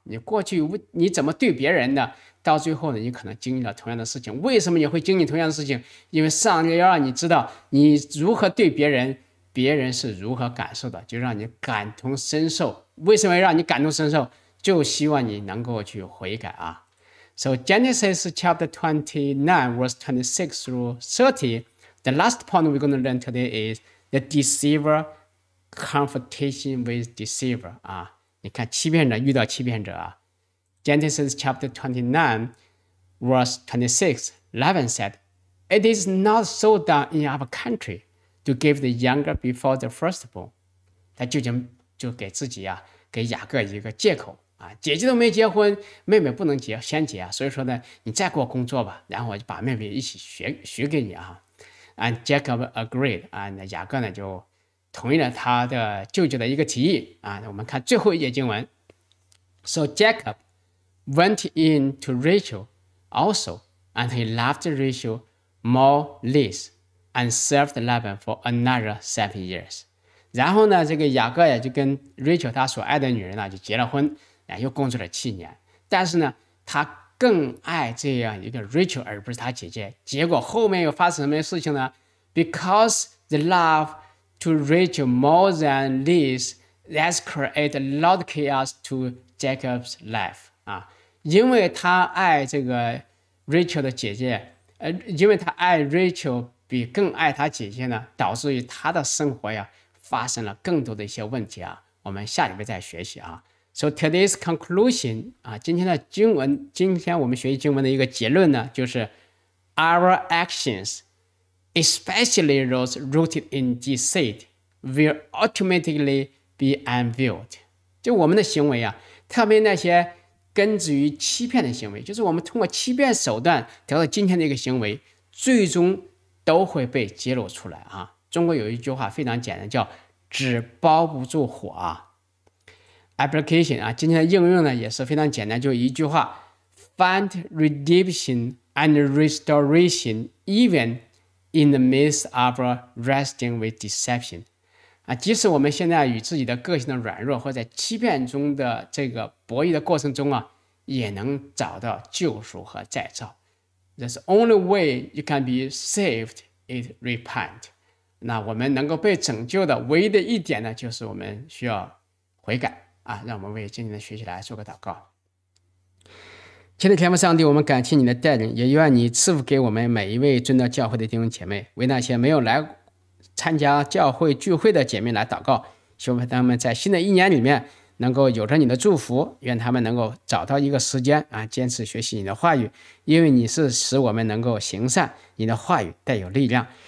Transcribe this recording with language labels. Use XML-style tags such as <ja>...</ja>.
<zh>你过去你怎么对别人呢，到最后呢你可能经历了同样的事情。为什么你会经历同样的事情？因为上帝要让你知道你如何对别人，别人是如何感受的，就让你感同身受。为什么让你感同身受？就希望你能够去悔改啊。</zh> <en>So Genesis chapter 29 verse 26 through 30, the last point we're going to learn today is the deceiver confrontation with deceiver.</en> <zh>啊，你看欺骗者遇到欺骗者啊。</zh> <en>Genesis chapter 29 verse 26, Laban said, It is not so done in our country to give the younger before the firstborn.</en> <zh>他就给自己啊，给雅各一个借口啊，姐姐都没结婚，妹妹不能结先结啊，所以说呢你再给我工作吧，然后我就把妹妹一起许给你啊。</zh> <en>And Jacob agreed, and</en> <zh>雅各呢就同意了他的舅舅的一个提议啊。我们看最后一节经文。</zh> <en>So Jacob went in to Rachel also, and he loved Rachel more less, and served Laban for another 7 years.</en> <zh>然后呢这个雅各也就跟 Rachel 他所爱的女人呢就结了婚，然后又工作了七年。但是呢他更爱这样一个 Rachel 而不是他姐姐。结果后面又发生什么事情呢？</zh> <en>Because the love to Rachel more than Liz, that's create a lot of chaos to Jacob's life.</en> <zh>啊，因为他爱这个 Rachel 的姐姐，因为他爱 Rachel 比更爱他姐姐呢，导致于他的生活呀发生了更多的一些问题啊。我们下礼拜再学习啊。</zh> <en>So today's conclusion</en> <zh>啊，今天的经文，今天我们学习经文的一个结论呢，就是</zh> <en>our actions. Especially those rooted in deceit will ultimately be unveiled.</en> <zh>就我们的行为啊，特别那些根植于欺骗的行为，就是我们通过欺骗手段得到今天的一个行为，最终都会被揭露出来啊。中国有一句话非常简单，叫纸包不住火啊。 Application 啊，今天的应用呢也是非常简单，就一句话 ：</zh> <en>Find redemption and restoration even. In the midst of wrestling with deception.</en> <zh>啊，即使我们现在与自己的个性的软弱或在欺骗中的这个博弈的过程中啊，也能找到救赎和再造。</zh> <en>That's the only way you can be saved is repent.</en> <zh>那我们能够被拯救的唯一的一点呢，就是我们需要悔改。啊，让我们为今天的学习来做个祷告。亲爱的天父上帝，我们感谢你的带领，也愿你赐福给我们每一位尊道教会的弟兄姐妹。为那些没有来参加教会聚会的姐妹来祷告，希望他们在新的一年里面能够有着你的祝福，愿他们能够找到一个时间啊，坚持学习你的话语，因为你是使我们能够行善，你的话语带有力量。</zh>